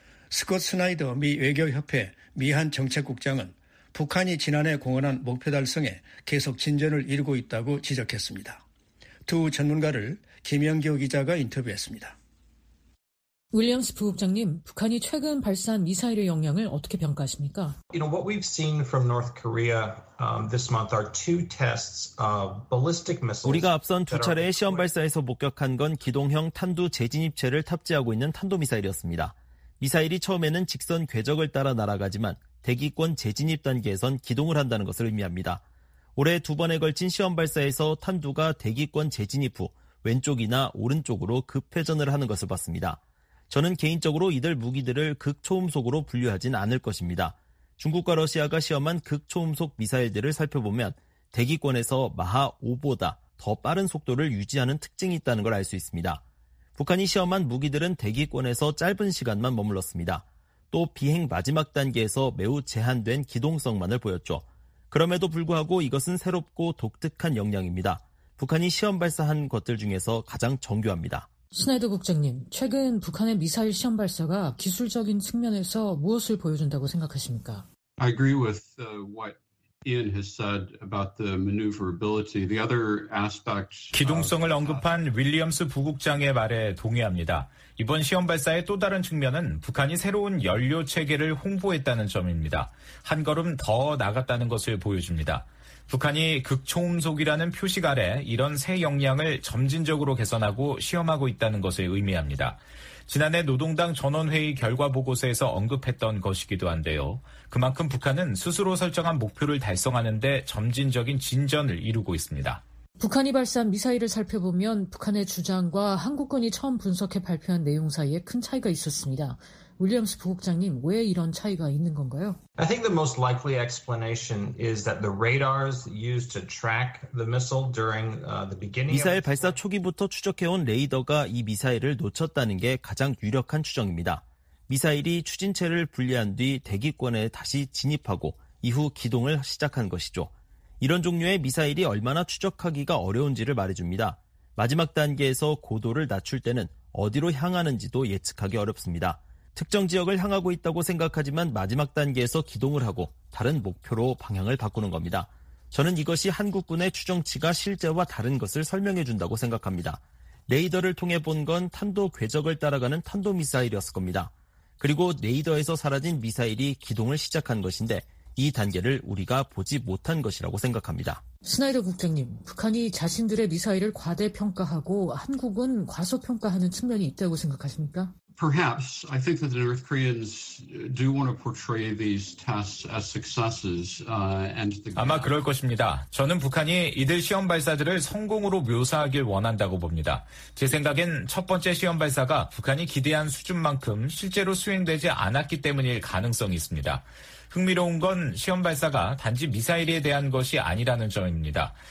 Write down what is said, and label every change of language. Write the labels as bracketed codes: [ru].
[ko] 스콧 스나이더 미 외교협회 미한정책국장은 북한이 지난해 공언한 목표 달성에 계속 진전을 이루고 있다고 지적했습니다. 두 전문가를 김영교 기자가 인터뷰했습니다. 윌리엄스 부국장님, 북한이 최근 발사한 미사일의 영향을 어떻게 평가하십니까? [en] You know, what we've seen from North Korea this month are two tests of ballistic missiles. [ko] 우리가 앞선 두 차례의 시험 발사에서 목격한 건 기동형 탄두 재진입체를 탑재하고 있는 탄도미사일이었습니다. 미사일이 처음에는 직선 궤적을 따라 날아가지만 대기권 재진입 단계에선 기동을 한다는 것을 의미합니다. 올해 두 번에 걸친 시험 발사에서 탄두가 대기권 재진입 후 왼쪽이나 오른쪽으로 급회전을 하는 것을 봤습니다. 저는 개인적으로 이들 무기들을 극초음속으로 분류하진 않을 것입니다. 중국과 러시아가 시험한 극초음속 미사일들을 살펴보면 대기권에서 마하 5보다 더 빠른 속도를 유지하는 특징이 있다는 걸 알 수 있습니다. 북한이 시험한 무기들은 대기권에서 짧은 시간만 머물렀습니다. 또 비행 마지막 단계에서 매우 제한된 기동성만을 보였죠. 그럼에도 불구하고 이것은 새롭고 독특한 역량입니다. 북한이 시험 발사한 것들 중에서 가장 정교합니다. 스나이더 국장님, 최근 북한의 미사일 시험 발사가 기술적인 측면에서 무엇을 보여준다고 생각하십니까? [en] I agree with what Ian has said about the maneuverability. The other aspect. [ko] 기동성을 언급한 윌리엄스 부국장의 말에 동의합니다. 이번 시험 발사의 또 다른 측면은 북한이 새로운 연료 체계를 홍보했다는 점입니다. 한 걸음 더 나갔다는 것을 보여줍니다. 북한이 극초음속이라는 표식 아래 이런 새 역량을 점진적으로 개선하고 시험하고 있다는 것을 의미합니다. 지난해 노동당 전원회의 결과 보고서에서 언급했던 것이기도 한데요. 그만큼 북한은 스스로 설정한 목표를 달성하는 데 점진적인 진전을 이루고 있습니다. 북한이 발사한 미사일을 살펴보면 북한의 주장과 한국군이 처음 분석해 발표한 내용 사이에 큰 차이가 있었습니다. 윌리엄스 부국장님, 왜 이런 차이가 있는 건가요? [en] I think the most likely explanation is that the radars used to track the missile during the beginning of [ko] 미사일 발사 초기부터 추적해 온 레이더가 이 미사일을 놓쳤다는 게 가장 유력한 추정입니다. 미사일이 추진체를 분리한 뒤 대기권에 다시 진입하고 이후 기동을 시작한 것이죠. 이런 종류의 미사일이 얼마나 추적하기가 어려운지를 말해줍니다. 마지막 단계에서 고도를 낮출 때는 어디로 향하는지도 예측하기 어렵습니다. 특정 지역을 향하고 있다고 생각하지만 마지막 단계에서 기동을 하고 다른 목표로 방향을 바꾸는 겁니다. 저는 이것이 한국군의 추정치가 실제와 다른 것을 설명해 준다고 생각합니다. 레이더를 통해 본 건 탄도 궤적을 따라가는 탄도미사일이었을 겁니다. 그리고 레이더에서 사라진 미사일이 기동을 시작한 것인데 이 단계를 우리가 보지 못한 것이라고 생각합니다. 스나이더 국장님, 북한이 자신들의 미사일을 과대평가하고 한국은 과소평가하는 측면이 있다고 생각하십니까? [en] Perhaps I think that the North Koreans do want to portray these tests as successes and the [ko] 아마 그럴 것입니다. 저는 북한이 이들 시험 발사들을 성공으로 묘사하길 원한다고 봅니다. 제 생각엔 첫 번째 시험 발사가 북한이 기대한 수준만큼 실제로 수행되지 않았기 때문일 가능성이 있습니다. 흥미로운 건 시험 발사가 단지 미사일에 대한 것이 아니라는 점입니다.